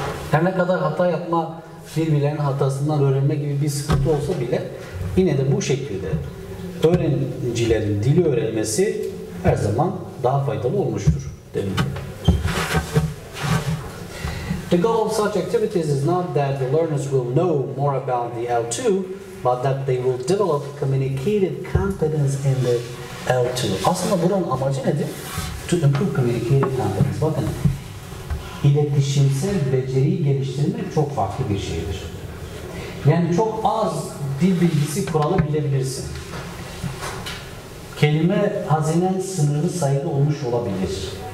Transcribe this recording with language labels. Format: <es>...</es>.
<tr>Her ne kadar hata yapma birbirlerinin hatasından öğrenme gibi bir sıkıntı olsa bile yine de bu şekilde öğrencilerin dili öğrenmesi her zaman daha faydalı olmuştur demin.</tr> <en>The goal of such activities is not that the learners will know more about the L2, but that they will develop communicative competence in the L2.</en> <tr>Aslında bunun amacı nedir?</tr> <en>To improve communicative competence.</en> <tr>Bakın, iletişimsel beceriyi geliştirmek çok farklı bir şeydir. Yani çok az dil bilgisi kuralı bilebilirsin. Kelime hazinen sınırlı sayıda olmuş olabilir.</tr>